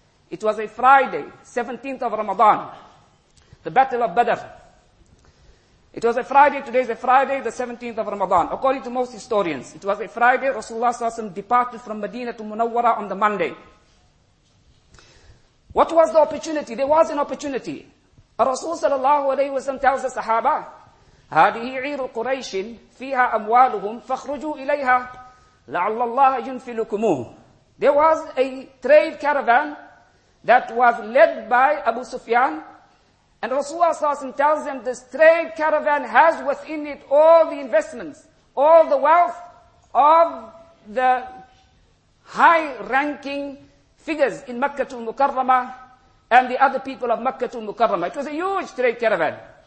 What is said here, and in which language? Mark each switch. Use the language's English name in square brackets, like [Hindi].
[English] It was a Friday, 17th of Ramadan, the Battle of Badr. It was a Friday. Today is a Friday, the 17th of Ramadan. According to most historians, it was a Friday. Rasulullah SAW departed from Medina to Munawwara on the Monday. What was the opportunity? There was an opportunity. Rasulullah SAW tells the Sahaba, [Arabic] هَذِهِ عِيرُ قُرَيْشٍ فِيهَا أَمْوَالُهُمْ فَخْرُجُوا إِلَيْهَا لَعَلَّ اللَّهَ يُنْفِلُكُمُهُ. [English] There was a trade caravan that was led by Abu Sufyan. And Rasulullah ﷺ tells them this trade caravan has within it all the investments, all the wealth of the high-ranking figures in Makkah al-Mukarramah and the other people of Makkah al-Mukarramah. It was a huge trade caravan.